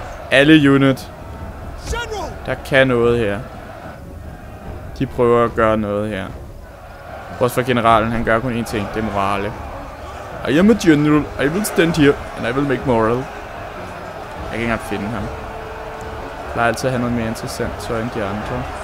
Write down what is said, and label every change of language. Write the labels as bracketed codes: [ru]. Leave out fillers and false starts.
[da] Alle unit, der kan noget her. De prøver at gøre noget her. Vores for generalen, han gør kun én ting, det er morale. [en] I am a general, I will stand here, and I will make moral. [da] Jeg kan ikke engang finde ham. Jeg plejer altid at have noget mere interessant tøj end de andre.